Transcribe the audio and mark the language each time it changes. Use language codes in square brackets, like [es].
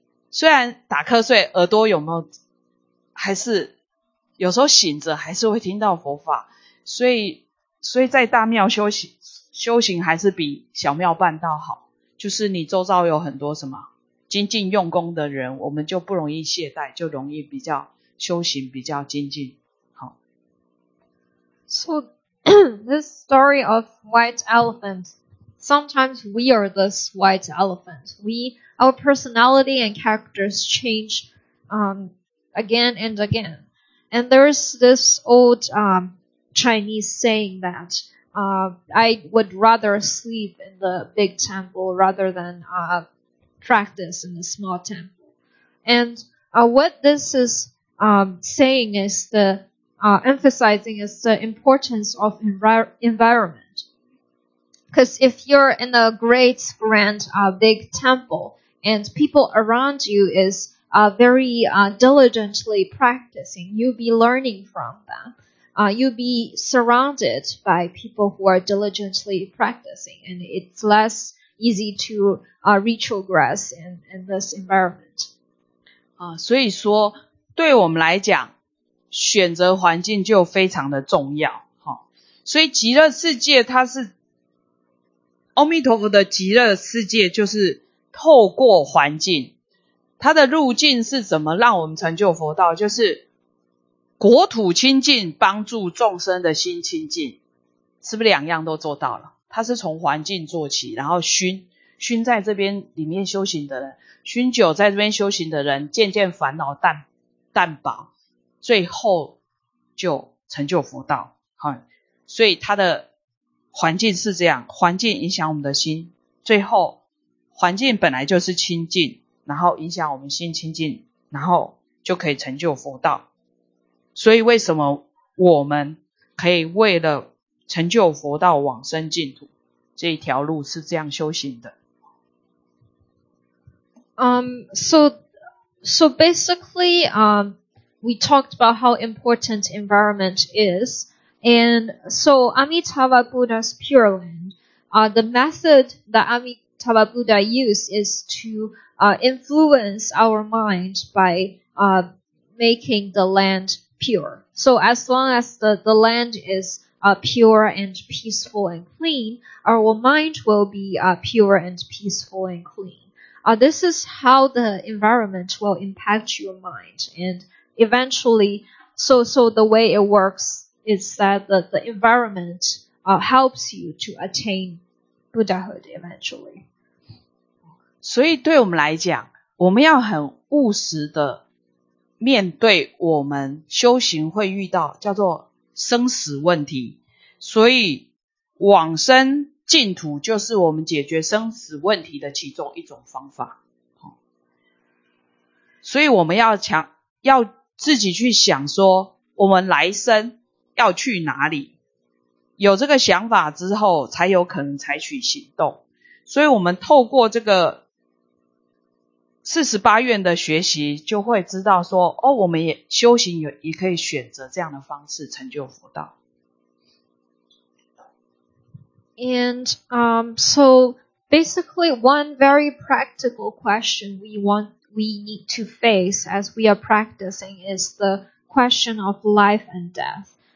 [zh] 虽然打瞌睡，耳朵有没有还是有时候醒着还是会听到佛法，所以在大庙修行还是比小庙办道好，就是你周遭有很多什么精进用功的人，我们就不容易懈怠，就容易比较修行比较精进。好。 [en] So this story of white elephant, sometimes we are this white elephant. Our personality and characters change again and again. And there's this old Chinese saying that I would rather sleep in the big temple rather than practice in the small temple. And what this is saying is the emphasizing is the importance of environment. Because if you're in a great, grand, big temple and people around you is very diligently practicing, you'll be learning from them. You'll be surrounded by people who are diligently practicing, and it's less easy to retrogress in this environment. [zh] 所以说对我们来讲，选择环境就非常的重要。所以极乐世界，它是阿弥陀佛的极乐世界，就是透过环境，它的路径是怎么让我们成就佛道，就是国土清净，帮助众生的心清净，是不是两样都做到了？他是从环境做起，然后熏在这边里面修行的人，熏久在这边修行的人，渐渐烦恼淡薄，最后就成就佛道。好，所以他的环境是这样，环境影响我们的心，最后环境本来就是清净，然后影响我们心清净，然后就可以成就佛道。所以为什么我们可以为了成就佛道往生净土，这一条路是这样修行的。 [en] So basically, we talked about how important environment is. And so Amitabha Buddha's Pure Land, the method that Amitabha Buddha used is to influence our mind by making the land pure. So as long as the land is pure and peaceful and clean, our mind will be pure and peaceful and clean. This is how the environment will impact your mind. And eventually, so the way it works is that the environment helps you to attain Buddhahood eventually. [zh] 所以对我们来讲，我们要很务实的面对我们修行会遇到叫做生死问题。所以往生净土就是我们解决生死问题的其中一种方法。所以我们要自己去想说我们来生要去哪里，有这个想法之后才有可能采取行动。所以我们透过这个48愿的学习，就会知道说哦，我们也修行也可以选择这样的方式成就佛道。 [en] And so basically one very practical question we need to face as we are practicing is the question of life and death.